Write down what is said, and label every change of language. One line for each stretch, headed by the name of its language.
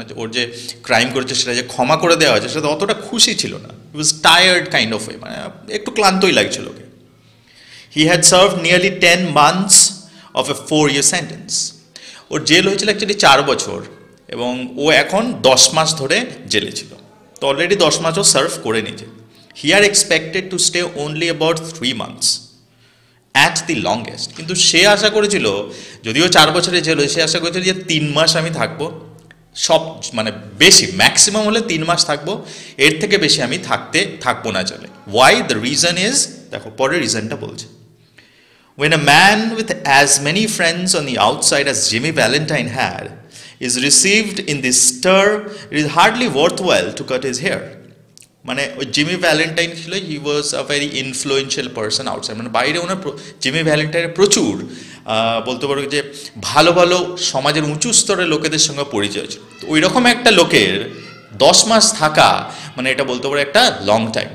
Bangla: ওর যে ক্রাইম করেছে সেটা যে ক্ষমা করে দেওয়া হয়েছে সেটা অতটা খুশি ছিল না।
English: he was tired kind of way,
Bangla: মানে একটু ক্লান্তই লাগছিল ওকে।
English: He had served nearly 10 months of a 4-year sentence.
Bangla: Or jail হয়েছিল অ্যাকচুয়ালি 4 বছর, এবং ও এখন 10 মাস ধরে জেলে ছিল। তো অলরেডি 10 মাস ও সার্ভ করে নিয়েছে।
English: He are expected to stay only about 3 months at the longest.
Bangla: কিন্তু সে আশা করেছিল, যদিও 4 বছরের জেল, সে আশা করেছিল যে 3 মাস আমি থাকবো, সব মানে বেশি ম্যাক্সিমাম হলে 3 মাস থাকবো, এর থেকে বেশি আমি থাকবো না জেলে। Why?
English: The reason is,
Bangla: দেখো পরে রিজনটা বলছে।
English: When a man with as many friends on the outside as Jimmy Valentine had is received in this stir, it is hardly worthwhile to cut his hair.
Bangla: মানে ওই Jimmy Valentine ছিল,
English: he was a very influential person outside,
Bangla: মানে বাইরে ওনার Jimmy ভ্যালেন্টাইনের প্রচুর বলতে পারো যে ভালো ভালো সমাজের উঁচু স্তরের লোকেদের সঙ্গে পরিচয় ছিল। তো ওই রকম একটা লোকের 10 মাস থাকা, মানে এটা বলতে পারো একটা লং টাইম।